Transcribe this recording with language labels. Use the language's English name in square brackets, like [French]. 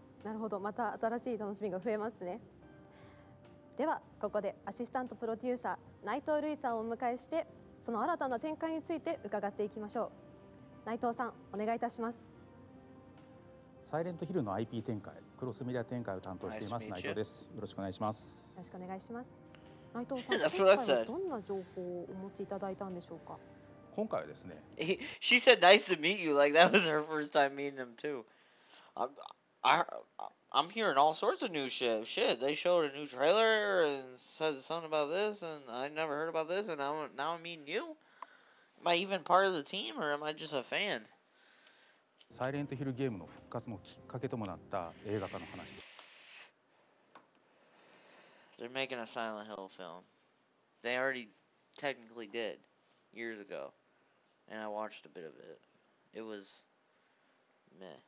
[Japanese] なるほど、また新しい楽しみが増えますね。ではここでアシスタントプロデューサー内藤瑠衣さんをお迎えして、その新たな展開について伺っていきましょう。内藤さん、お願いいたします。サイレントヒルの IP 展開、クロスメディア展開を担当しています内藤です。よろしくお願いします。よろしくお願いします。内藤さん、今回はどんな情報をお持ちいただいたんでしょうか。今回はですね。 [English] She said nice to meet you. Like that was her first time meeting him too. I'm hearing all sorts of new shit. Shit, they showed a new trailer and said something about this, and I never heard about this, and now I'm meeting you. Am I even part of the team or am I just a fan? [Japanese] サイレントヒルゲームの復活のきっかけともなった映画化の話です。 [English] They're making a Silent Hill film. They already technically did years ago. And I watched a bit of it. It was meh.